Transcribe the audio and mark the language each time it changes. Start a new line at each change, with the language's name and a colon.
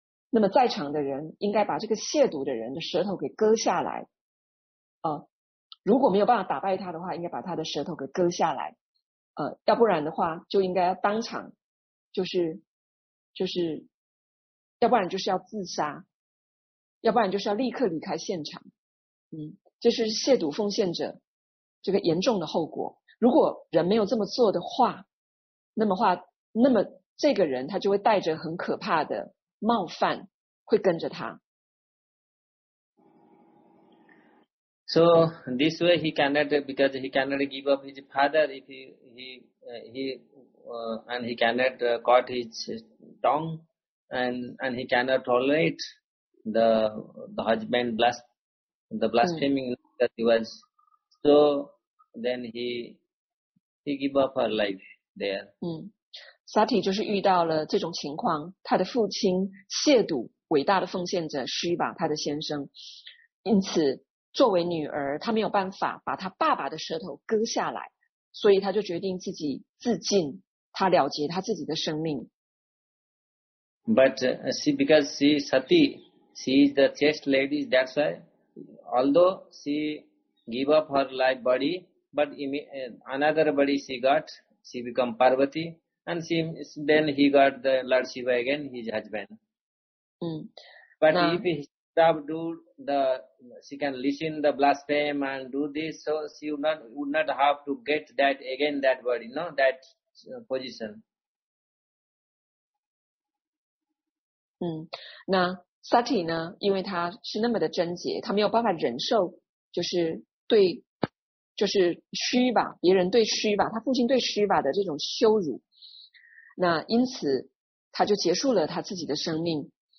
Chinese: 那么在场的人应该把这个亵渎的人的舌头给割下来啊，如果没有办法打败他的话，应该把他的舌头给割下来，要不然的话就应该要当场就是要不然就是要自杀，要不然就是要立刻离开现场。这是亵渎奉献者这个严重的后果。如果人没有这么做的话，那么这个人他就会带着很可怕的冒犯会跟着他。
English: So this way he cannot, because he cannot give up his father if he cannot cut his tongue and he cannot tolerate the husband blaspheming that he was. So then he give up her life there.
Chinese: Sati 就是遇到了这种情况，他的父亲亵渎伟大的奉献者 Shiva 他的先生，因此作为女儿他没有办法把他爸爸的舌头割下来，所以他就决定自己自尽，他了结他自己的生命。
English: But she, because she is Sati, she is the chaste lady, that's why although she gave up her life body, but another body she got, she become Parvati and then he got the Lord Shiva again, his husband. But if he stop do the, she can listen the blaspheme and do this, so she would not have to get that again, that body, no, that position.
Chinese: 那 Sati 呢，因为他是那么的贞洁，他没有办法忍受就是虚吧，别人对虚吧，他父亲对虚吧的这种羞辱，那因此他就结束了他自己的生命。